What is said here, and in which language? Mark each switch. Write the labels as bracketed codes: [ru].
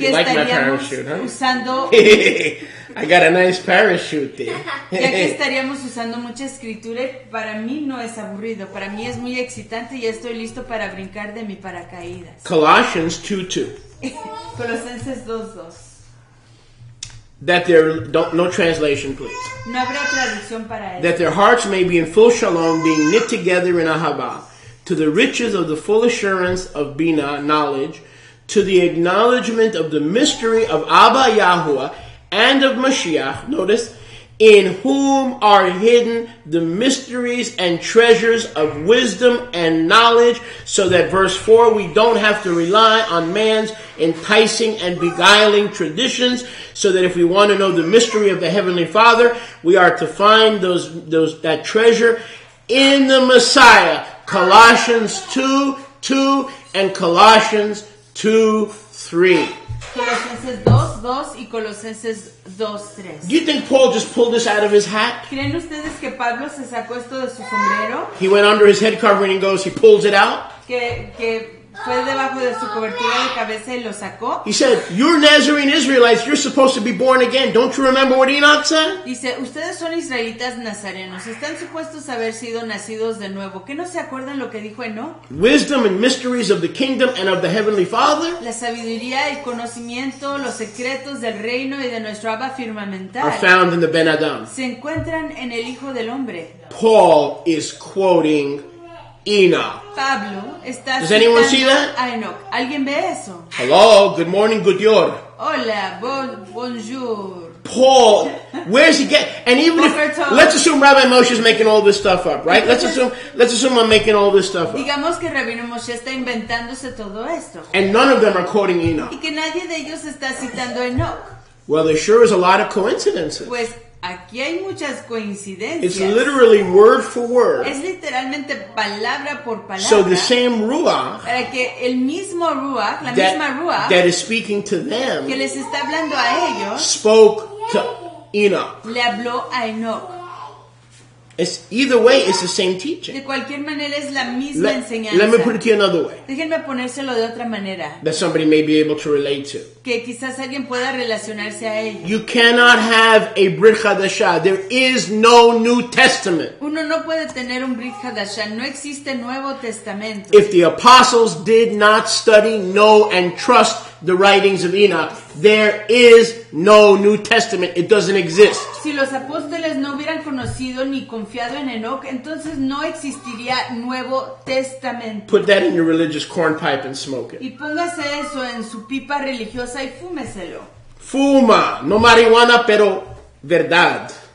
[en] You like my parachute, huh? [es] Usando. [en] I got a nice parachute there. [es] Ya que estaríamos usando mucha escritura, para mí no es aburrido. Para mí es muy excitante y estoy listo para brincar de mi paracaídas. [en] Colossians 2:2. [es] Colosenses 2:2. [en] That their no translation, please. [es] No habrá traducción para eso. [en] That their hearts may be in full shalom, being knit together in ahava, to the riches of the full assurance of bina, knowledge, to the acknowledgement of the mystery of Abba Yahuwah and of Mashiach. Notice, in whom are hidden the mysteries and treasures of wisdom and knowledge, so that verse 4, we don't have to rely on man's enticing and beguiling traditions, so that if we want to know the mystery of the Heavenly Father, we are to find that treasure in the Messiah. Colossians 2:2 and Colossians 2:3. [es] Colosenses 2:2 y Colosenses 2:3. [en] You think Paul just pulled this out of his hat? [es] ¿Creen ustedes que Pablo se sacó esto de su sombrero? [en] He went under his head covering and goes, he pulls it out? [es] Que fue debajo de su cobertura de cabeza y lo sacó. [en] He said, you're Nazarene Israelites, you're supposed to be born again. Don't you remember what Enoch said? [es] Dice, ustedes son israelitas nazarenos. Están supuestos a haber sido nacidos de nuevo. ¿Qué no se acuerdan lo que dijo Enoch? [en] Wisdom and mysteries of the kingdom and of the heavenly father. [es] La sabiduría, el conocimiento, los secretos del reino y de nuestro Abba firmamental. [en] Are found in the Ben Adam. [es] Se encuentran en el Hijo del Hombre. [en] Paul is quoting Enoch. [es] Pablo está. [en] Does anyone see that? [es] A Enoch. ¿Alguien ve eso? [en] Hello, good morning, good year. [es] Hola, bonjour. [en] Paul, where's he get? And even if, let's assume Rabbi Moshe is making all this stuff up, right? Let's assume I'm making all this stuff up. [es] Digamos que Rabino Moshe está inventándose todo esto. [en] And none of them are quoting Enoch. [es] Y que nadie de ellos está citando a Enoch. [en] Well, there sure is a lot of coincidences. [es] Pues aquí hay muchas coincidencias. [en] It's literally word for word. [es] Es literalmente palabra por palabra. [en] So the same ruach. [es] Para que el mismo ruach, la that, misma ruach. [en] That is speaking to them. [es] Que les está hablando a ellos. [en] Spoke to Enoch. [es] Le habló a Enoch. [en] It's either way, it's the same teaching. [es] De cualquier manera es la misma enseñanza. [en] Let me put it to you another way. [es] Déjenme ponérselo de otra manera. [en] That somebody may be able to relate to. [es] Que quizás alguien pueda relacionarse a él. [en] You cannot have a Brit Hadasha. There is no New Testament. [es] Uno no puede tener un Brit Hadasha. No existe Nuevo Testamento. [en] If the apostles did not study, know, and trust the writings of Enoch, there is no New Testament. It doesn't exist. [es] Si los apóstoles no hubieran conocido ni confiado en Enoch, entonces no existiría Nuevo Testamento. [en] Put that in your religious corn pipe and smoke it. [es] Y póngase eso en su pipa religiosa y fúmeselo. Fuma. No marihuana, pero verdad.